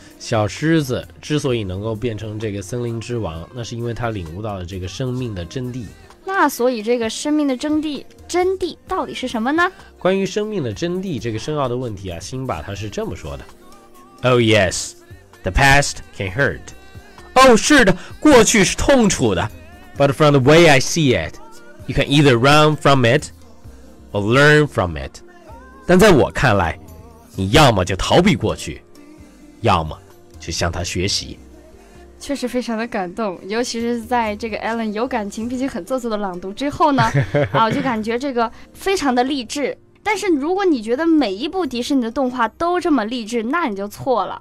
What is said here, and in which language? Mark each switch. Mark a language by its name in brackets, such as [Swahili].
[Chinese] 小狮子之所以能够变成这个森林之王，那是因为他领悟到了这个生命的真谛。那所以这个生命的真谛到底是什么呢？关于生命的真谛这个深奥的问题啊，辛巴他是这么说的 ： [English] “Oh yes, the past can hurt。” [Chinese] 哦，是的，过去是痛楚的。 [English] But from the way I see it, you can either run from it or learn from it。 [Chinese] 但在我看来，你要么就逃避过去，要么去向他学习。确实非常的感动，尤其是在这个 Alan 有感情并且很做作的朗读之后呢，我就感觉这个非常的励志。但是如果你觉得每一部迪士尼的动画都这么励志，那你就错了